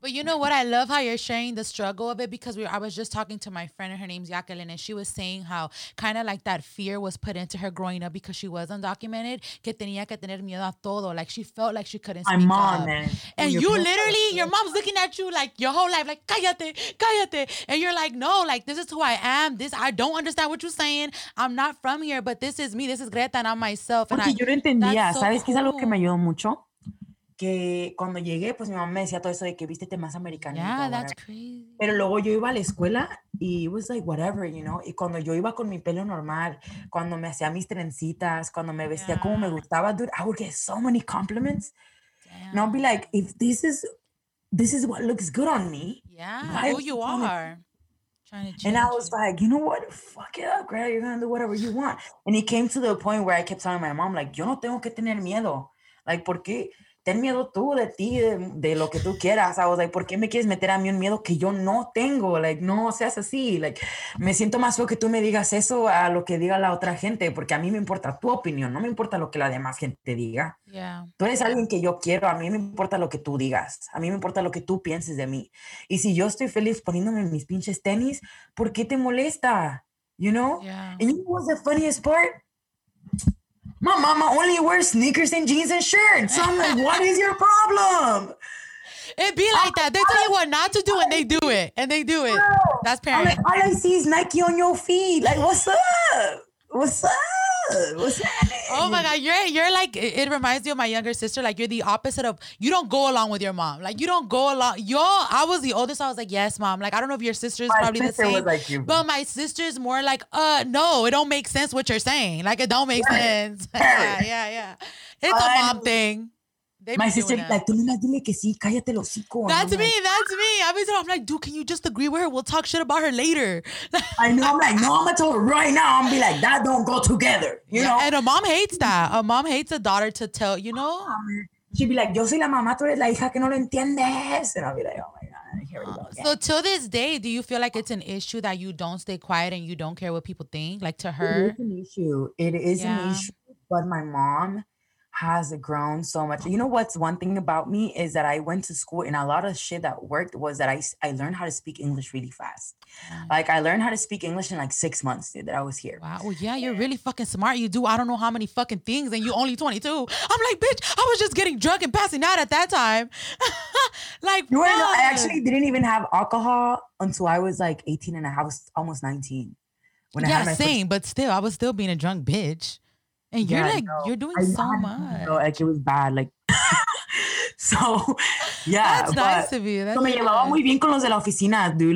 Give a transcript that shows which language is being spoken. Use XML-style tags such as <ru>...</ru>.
<en>But you know what? I love how you're sharing the struggle of it, because I was just talking to my friend, and her name's Jacqueline, and she was saying how kind of like that fear was put into her growing up because she was undocumented.</en> <es>Que tenía que tener miedo a todo.</es> <en>Like, she felt like she couldn't speak up. My mom, man. And you literally, your mom's looking at you like your whole life, like, cállate. And you're like, no, like, this is who I am. This, I don't understand what you're saying. I'm not from here, but this is me. This is Greta, and I'm myself. And</en> <es>yo no entendía. ¿Sabes qué es algo que me ayudó mucho? Que cuando llegué, pues mi mamá me decía todo eso de que vístete más americano.</es> <en>Yeah, that's crazy.</en> <es>Pero luego yo iba a la escuela y</es> <en>it was like whatever, you know.</en> <es>Y cuando yo iba con mi pelo normal, cuando me hacía mis trencitas, cuando me vestía como me gustaba, dude,</es> <en>I would get so many compliments. Damn. And I'll be like, if this is what looks good on me. Yeah, who you are. And I was like, you know what? Fuck it up, girl. You're going to do whatever you want. And it came to the point where I kept telling my mom, like,</en> <es>yo no tengo que tener miedo.</es> <en>Like,</en> <es>¿por qué? Ten miedo tú de ti, de lo que tú quieras.</es> <en>I was like,</en> <es>¿por qué me quieres meter a mí un miedo que yo no tengo? Like, no seas así. Like, me siento más feo que tú me digas eso a lo que diga la otra gente, porque a mí me importa tu opinión, no me importa lo que la demás gente diga.</es> <en>Yeah.</en> <es>Tú eres alguien que yo quiero, a mí me importa lo que tú digas, a mí me importa lo que tú pienses de mí. Y si yo estoy feliz poniéndome mis pinches tenis, ¿por qué te molesta?</es> <en>You know? Yeah. And you know what's the funniest part? My mama only wears sneakers and jeans and shirts. So I'm like, what is your problem? It be like that. They tell you what not to do and they do it. Girl, that's parents. I'm like, all I see is Nike on your feet. Like, what's up? Oh my God, you're like, it reminds me of my younger sister. Like, you're the opposite of, you don't go along with your mom. Like, you don't go along. I was the oldest, so I was like, yes, mom. Like, I don't know if your sister's probably sister the same, like you, but my sister's more like, no, it don't make sense what you're saying. Like, it don't make sense. Yeah. It's a mom thing. They my sister, like,</en> <es>tú no me dile que sí, cállate el hocico.</es> <en>That's me. I'm like, dude, can you just agree with her? We'll talk shit about her later. I know. I'm like, no, I'm going to tell her right now. I'm going to be like, that don't go together, you know? And a mom hates that. A mom hates a daughter to tell, you know? She'd be like,</en> <es>yo soy la mamá, tú eres la hija que no lo entiendes.</es> <en>And I'll be like, oh, my God. Here we go. So till this day, do you feel like it's an issue that you don't stay quiet and you don't care what people think, like, to her? It is an issue. It is an issue. But my mom has grown so much. You know what's one thing about me is that I went to school and a lot of shit that worked was that I learned how to speak English really fast. Like I learned how to speak English in like 6 months, dude, that I was here. Wow. Well, yeah, you're really fucking smart. You do I don't know how many fucking things and you only 22. I'm like, bitch, I was just getting drunk and passing out at that time. Like, you know, I actually didn't even have alcohol until I was like 18 and a half, almost 19. When yeah, I had my same, first- but still, I was still being a drunk bitch. And you're yeah, like, you're doing I, so I, much. No, like it was bad. Like, so, yeah. That's nice of you. That's</en> <es>so me llevaba muy bien con los de la oficina, dude.</es>